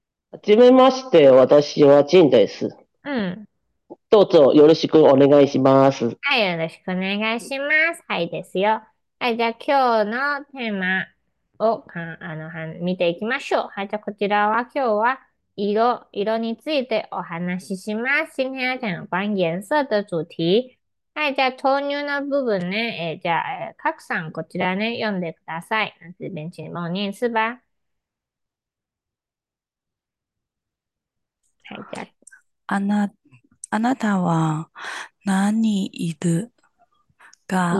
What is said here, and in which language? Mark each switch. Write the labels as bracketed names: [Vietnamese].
[Japanese] はじめまして、私はジンです。どうぞよろしくお願いします。よろしくお願いします。はい、ですよ。はい、じゃあ、今日のテーマを、見ていきましょう。はい、じゃあ、こちらは今日は、色についてお話しします。 [Chinese] 今天は、有关颜色的主题。 [Japanese] はい、じゃあ、豆乳の部分ね。じゃあ、賀来さん、こちらね、読んでください。 [Chinese] 这边请默念是吧。 [Japanese] はい、じゃあ。あなたは何色が、